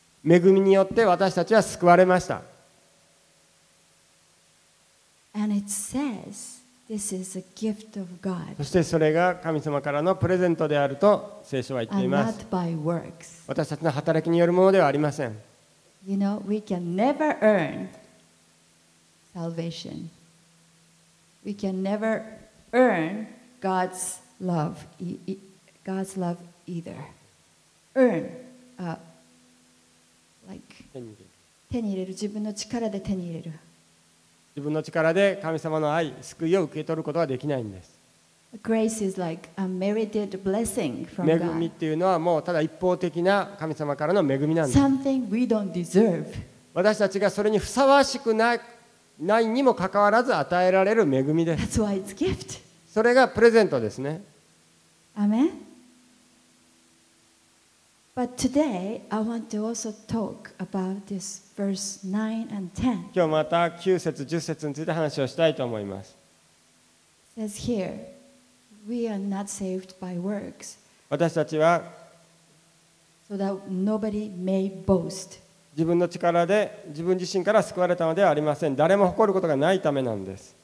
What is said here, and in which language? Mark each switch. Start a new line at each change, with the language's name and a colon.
Japanese: 恵みによって私たちは救われました。
English: And it says, this is a gift of God.
Japanese: そしてそれが神様からのプレゼントであると聖書は言っています。
English: And not by works.
Japanese: 私たちの働きによるものではありません。
English: You know, we can never earn salvation. We can never earn God'sGod's love either. Earn, like,
Japanese: 手に入れる自分の力で手に入れる。自分の力で神様の愛、救いを受け取ることはできないんです。
English: Grace is like a merited blessing from God.
Japanese: 恵みっていうのはもうただ一方的な神様からの恵みなんです。
English: Something we don't deserve.
Japanese: 私たちがそれにふさわしくないにもかかわらず与えられる恵みです。
English: That's why it's gift.
Japanese: それがプレゼントですね。アメン。
English: But today I want to also talk about this verse 9 and 10.
Japanese: 今日また9節10節について話をしたいと思います。
English: It says here, we are not saved by works.
Japanese: 私たちは、
English: so that nobody may boast.
Japanese: 自分の力で自分自身から救われたのではありません。誰も誇ることがないためなんです。